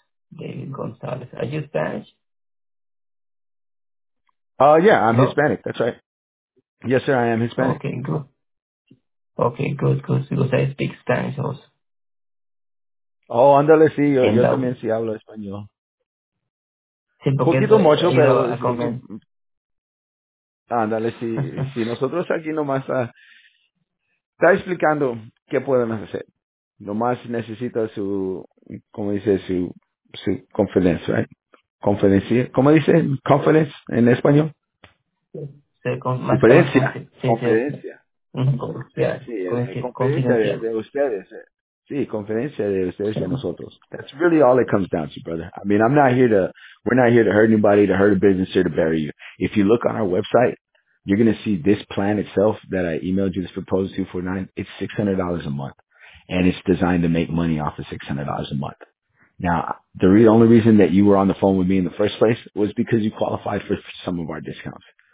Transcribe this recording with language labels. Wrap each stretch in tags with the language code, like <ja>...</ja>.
<en>David Gonzalez. Are you Spanish? I'm Hispanic. That's right. Yes, sir, I am Hispanic. Okay, good. Okay, good. Because I speak Spanish also.</en> <es>Oh, andale, sí. Yo también sí hablo español. Sí, un poquito mucho, pero... Andale, sí. Sí, nosotros aquí nomás está explicando qué podemos hacer. Nomás necesita su... ¿Cómo dice? Su confidence,</es> <en>right?</en> <es>Confidencia. ¿Cómo dice? Confidence en español. Confidencia. Confidencia. Confidencia. Confidencia de ustedes. Sí, confidencia de ustedes y nosotros.</es> <en>That's really all it comes down to, brother. I mean, we're not here to hurt anybody, to hurt a business, or to bury you. If you look on our website, you're going to see this plan itself that I emailed you, this proposal 249, it's $600 a month. And it's designed to make money off of $600 a month. Now, the only reason that you were on the phone with me in the first place was because you qualified for some of our discounts.</en>